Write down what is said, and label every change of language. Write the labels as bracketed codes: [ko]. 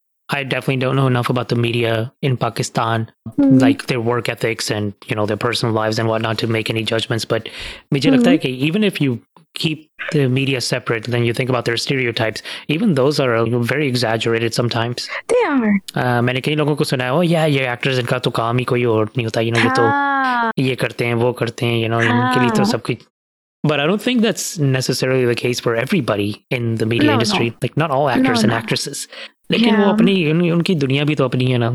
[en] I definitely don't know enough about the media in Pakistan, mm-hmm. like their work ethics and, you know, their personal lives and whatnot to make any judgments. But [ur] mujhe lagta hai ki [en] even if you keep the media separate, then you think about their stereotypes, even those are very exaggerated sometimes. They are. [ur] میں نے کہی لوگوں کو سنا ہے، [en] oh yeah, [ur] یہ actors انکا تو کام ہی کوئی اور نہیں ہوتا، [en] you know, [ur] یہ تو یہ کرتے ہیں، وہ کرتے ہیں، you know, انکے لیے تو سب کچھ۔ [en] But I don't think that's necessarily the case for everybody in the media industry. No. Like, not all actors and actresses. [ur] لیکن وہ اپنی، انکی دنیا بھی تو اپنی ہے نا۔